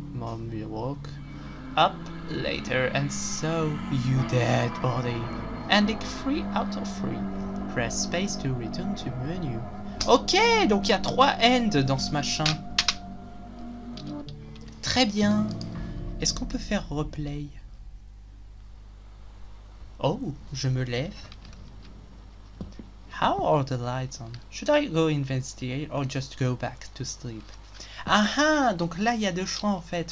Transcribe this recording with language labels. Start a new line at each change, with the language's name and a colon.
English: Mommy woke up later and saw you dead body. Ending 3 out of 3. Press space to return to menu.
French: Ok, donc il y a 3 ends dans ce machin. Très bien. Est-ce qu'on peut faire replay? Oh, je me lève.
English: How are the lights on? Should I go investigate or just go back to sleep?
French: Ah ah, donc là il y a deux choix en fait.